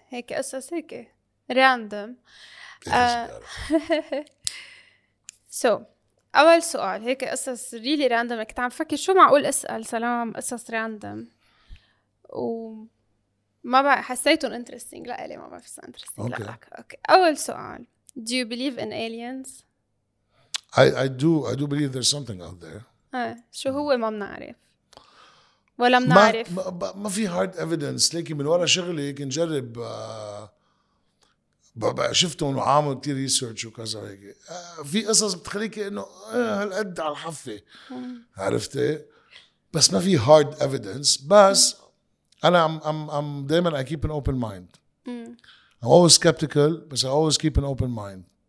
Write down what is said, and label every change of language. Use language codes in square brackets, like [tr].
[ar] هيك أساس هيك [en] random so [ar] أول سؤال هيك قصص ريلي راندم كنت عم فكر شو معقول أسأل سلام قصص راندم وما بقى حسيتهم انترستينج لألي ما بقى فيس انترستينج [en] okay. [ar] لألك [en] okay. [ar] أول سؤال [en] Do you believe in aliens? I do believe there's something out there [ar] شو هو ما بنعرف ولا بنعرف ما في [en] hard evidence [ar] لكن من ورا شغلي هيك نجرب بقى شفتهم وعاملوا كتير ريسيرش وكذا هيك في قصص بتخليك انه هالقد على الحفة عرفتي بس ما في hard evidence بس انا I'm دايما [en] I keep an open mind I'm always skeptical [ar] بس [en] I always keep an open mind